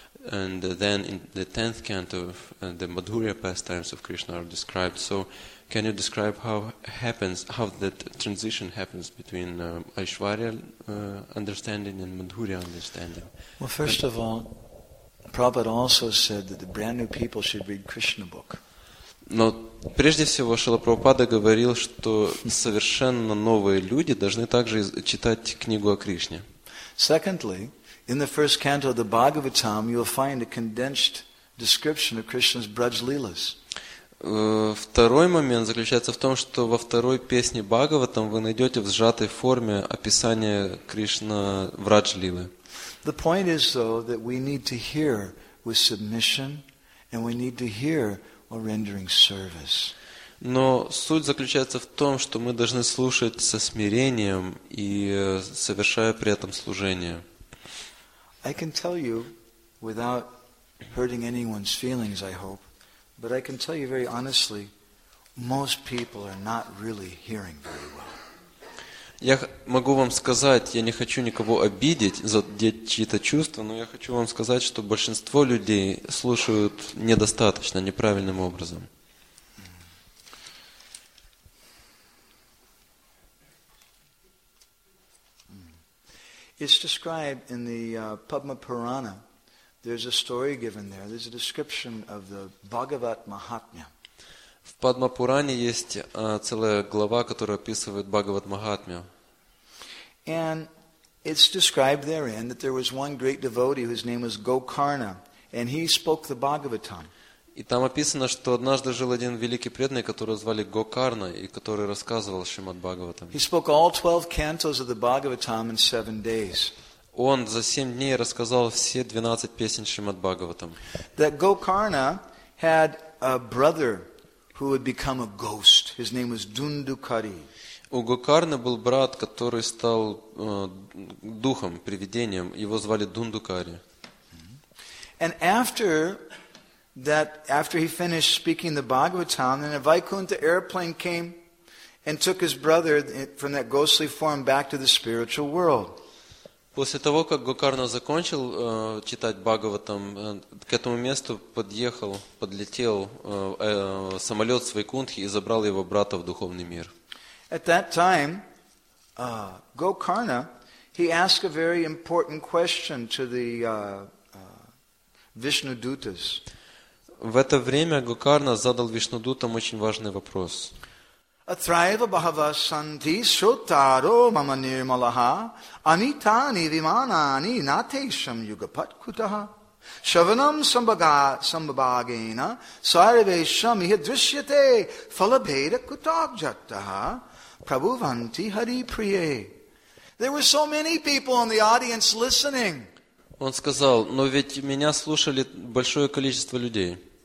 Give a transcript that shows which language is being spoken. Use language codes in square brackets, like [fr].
[en] And then in the 10th canto, the Madhurya pastimes of Krishna are described. So can you describe how that transition happens between Aishwarya understanding and Madhurya understanding? Well, first of all, Prabhupada also said that the brand new people should read Krishna book. [ru] Но прежде всего Шрила Прабхупада говорил, что совершенно новые люди должны также читать книгу о Кришне. [en] Secondly, in the first canto of the Bhagavatam, you will find a condensed description of Krishna's Braj Leelas. [ru] Второй момент заключается в том, что во второй песне Бхагаватам вы найдете в сжатой форме описание Кришна Врадж Лилы. [en] The point is, though, that we need to hear with submission, and we need to hear while rendering service. [ru] Но суть заключается в том, что мы должны слушать со смирением и совершая при этом служение. [en] I can tell you, without hurting anyone's feelings, I hope, but I can tell you very honestly, most people are not really hearing very well. [ru] Я могу вам сказать, я не хочу никого обидеть, задеть чьи-то чувства, но я хочу вам сказать, что большинство людей слушают недостаточно, неправильным образом. [en] It's described in the Padma Purana. There's a story given there. There's a description of the Bhagavat Mahatmya. [ru] В Падмапуране есть целая глава, которая описывает Бхагават Махатмя. [en] And it's described therein that there was one great devotee whose name was Gokarna, and he spoke the Bhagavatam. [ru] И там описано, что однажды жил один великий преданный, которого звали Гокарна, и который рассказывал Шримад Бхагаватам. [en] He spoke all 12 cantos of the Bhagavatam in 7 days. [ru] Он за 7 дней рассказал все 12 песен Шримад Бхагаватам. [en] That Gokarna had a brother who had become a ghost. His name was Dundukari. [ru] У Гокарны был брат, который стал духом, привидением. Его звали Дундукари. [en] And after he finished speaking the Bhagavatam, then a Vaikuntha airplane came and took his brother from that ghostly form back to the spiritual world. [ru] После того, как Гокарна закончил читать Бхагаватам, к этому месту подлетел самолет с Вайкунтхи и забрал его брата в духовный мир. [en] At that time, Gokarna, he asked a very important question to the Vishnudutas. [ru] В это время Гокарна задал Вишнудутам очень важный вопрос. [sa] Atraiva bahava santi sotaro mama nirmalaha anitani vimanani natesham yugapat kutaha shavanam sambhagena sarvesham ihadrishyate falabheda kutabjataha prabhuvanti hari priye. [en] There were so many people in the audience listening. [ru] Он сказал, но ведь меня слушали большое количество людей.